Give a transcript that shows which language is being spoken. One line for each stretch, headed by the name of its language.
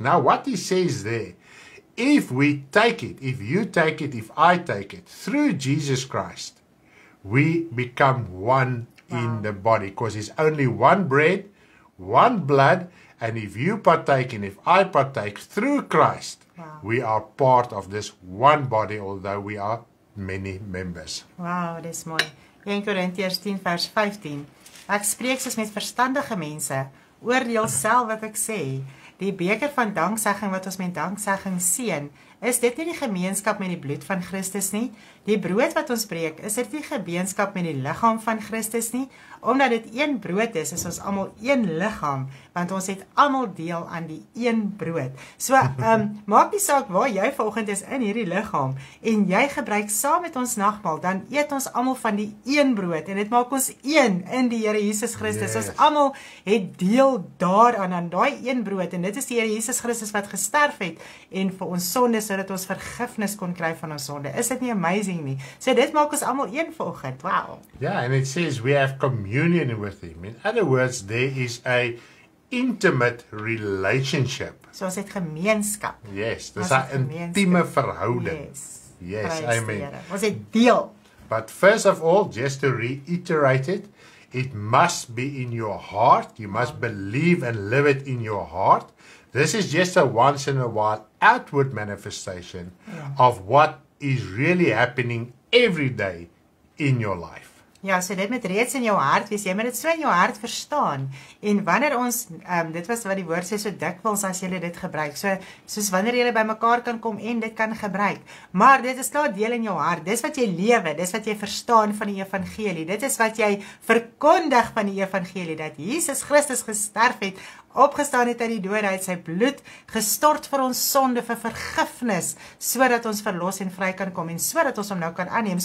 English: Now what he says there, if we take it, if you take it, if I take it, through Jesus Christ, we become one in the body, because it's only one bread, one blood, and if you partake and if I partake through Christ, we are part of this one body, although we are many members.
Afrikaans: Wow, dis mooi. 1 Korintiërs 10 vers 15. Ek spreek soos met verstandige mense, oordeel self wat ek sê. Die beker van danksegging wat ons met danksegging seën, is dit nie die gemeenskap met die bloed van Christus nie? Die brood wat ons breek, is dit nie gemeenskap met die liggaam van Christus nie? Omdat dit een brood is, is ons almal een liggaam, want ons het almal deel aan die een brood. So, maak nie saak waar jy vanoggend is in hierdie liggaam, en jy gebruik saam met ons nagmaal, dan eet ons almal van die een brood, en dit maak ons een in die Here Jesus Christus.
English: Yes.
Afrikaans: Ons almal het deel daaraan, aan daai een brood, en dit is die Here Jesus Christus wat gesterf het, en vir ons sondes sodat ons vergifnis kon kry van ons sonde. Is dit nie amazing nie? So dit maak ons almal een vanoggend. Wow.
English: Yeah, and it says we have communion with him. In other words, there is a intimate relationship.
Afrikaans: So ons het gemeenskap. Yes, dis 'n intieme verhouding. Yes, amen. Ons het deel.
English: But first of all, just to reiterate it, it must be in your heart. You must believe and live it in your heart. This is just a once in a while outward manifestation of what is really happening every day in your life.
Afrikaans: Ja, so dit moet reeds in jou hart wees, jy moet dit so in jou hart verstaan. En wanneer ons, dit was wat die woord sê, so dikwels as jy dit gebruik, so, soos wanneer jy by mekaar kan kom en dit kan gebruik. Maar dit is klaar deel in jou hart, dit is wat jy lewe, dit is wat jy verstaan van die evangelie, dit is wat jy verkondig van die evangelie, dat Jesus Christus gesterf het, opgestaan het uit die dood, hy het sy bloed gestort vir ons sonde, vir vergifnis, so dat ons verlos en vry kan kom, en so dat ons hom nou kan aanneem.